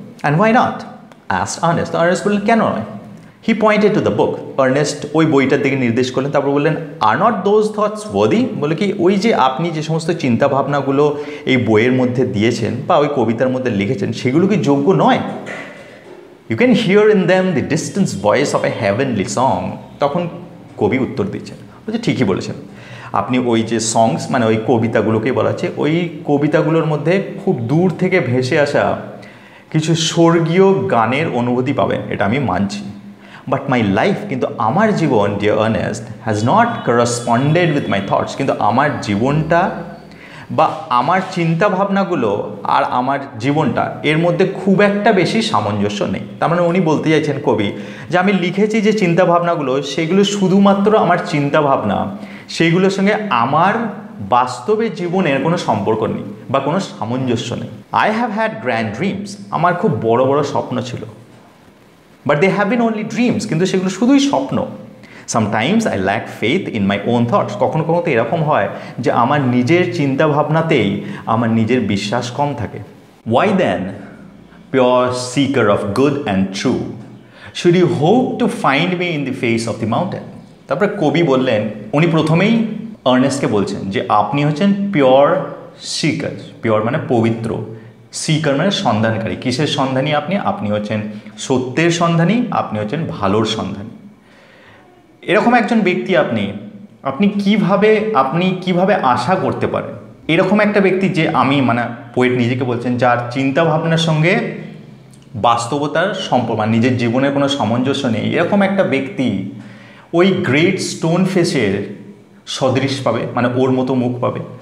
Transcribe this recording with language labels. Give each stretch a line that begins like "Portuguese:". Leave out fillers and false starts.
English: and why not, ask Ernest,
Bangla: Ernst বললেন কেন নয়।
English: he pointed to the book,
Bangla: Ernst ওই বইটার দিকে নির্দেশ করলেন, তারপর বললেন
English: are not those thoughts worthy,
Bangla: বলে কি ওই যে আপনি যে সমস্ত চিন্তাভাবনাগুলো এই বইয়ের মধ্যে দিয়েছেন বা ওই কবিতার মধ্যে লিখেছেন সেগুলো কি যোগ্য নয়।
English: You can hear in them the distant voice of a heavenly song.
Bangla: তখন কবি উত্তর দিচ্ছেন, বলছে ঠিকই বলেছেন, আপনি ওই যে সংস মানে ওই কবিতাগুলোকে বলা হচ্ছে, ওই কবিতাগুলোর মধ্যে খুব দূর থেকে ভেসে আসা কিছু স্বর্গীয় গানের অনুভূতি পাবেন, এটা আমি মানছি।
English: but my life,
Bangla: কিন্তু আমার জীবন,
English: dear Ernest, has not corresponded with my thoughts,
Bangla: কিন্তু আমার জীবনটা বা আমার চিন্তাভাবনাগুলো আর আমার জীবনটা এর মধ্যে খুব একটা বেশি সামঞ্জস্য নেই। তার মানে উনি বলতে চাইছেন কবি যে আমি লিখেছি যে চিন্তাভাবনাগুলো সেগুলো শুধুমাত্র আমার চিন্তাভাবনা, সেগুলোর সঙ্গে আমার বাস্তবে জীবনের কোনো সম্পর্ক নেই বা কোনো সামঞ্জস্য নেই।
English: I have had grand dreams,
Bangla: আমার খুব বড় বড় স্বপ্ন ছিল,
English: but they have been only dreams,
Bangla: কিন্তু সেগুলো শুধুই স্বপ্ন।
English: Sometimes I lack faith in my own thoughts.
Bangla: কখনো কখনো তো এরকম হয় যে আমার নিজের চিন্তাভাবনাতেই আমার নিজের বিশ্বাস কম থাকে।
English: Why then, pure seeker of good and true, should you hope to find me in the face of the mountain?
Bangla: তারপরে কবি বললেন, উনি প্রথমেই আর্নেস্টকে বলছেন যে আপনি হচ্ছেন পিওর সিকার, পিওর মানে পবিত্র, সিকার মানে সন্ধানকারী, কিসের সন্ধানী আপনি, আপনি হচ্ছেন সত্যের সন্ধানী, আপনি হচ্ছেন ভালোর সন্ধানী, এরকম একজন ব্যক্তি আপনি, আপনি কিভাবে, আপনি কিভাবে আশা করতে পারেন এরকম একটা ব্যক্তি, যে আমি মানে পোয়েট নিজেকে বলছেন যার চিন্তাভাবনার সঙ্গে বাস্তবতার সম্পর্ক মানে নিজের জীবনের কোনো সামঞ্জস্য নেই, এরকম একটা ব্যক্তি ওই গ্রেট স্টোন ফেসের সদৃশ পাবে মানে ওর মতো মুখ পাবে।